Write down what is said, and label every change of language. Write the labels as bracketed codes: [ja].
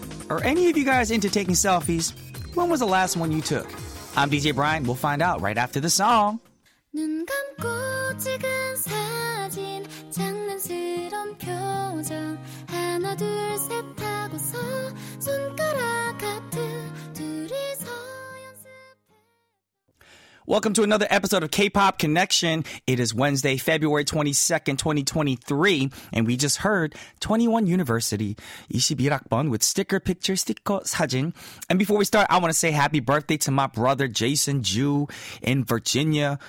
[en] Are any of you guys into taking selfies? When was the last one you took? I'm DJ Brian. We'll find out right after the song. [ko] 눈 감고 찍은 사진 장난스런 표정 하나 둘 셋 하고서 손가락 같은 둘이서 연습해 [en] Welcome to another episode of K-Pop Connection. It is Wednesday, February 22nd, 2023, and we just heard 21 University 21학번 with sticker picture 스티커 사진. And before we start, I want to say happy birthday to my brother Jason Ju in Virginia.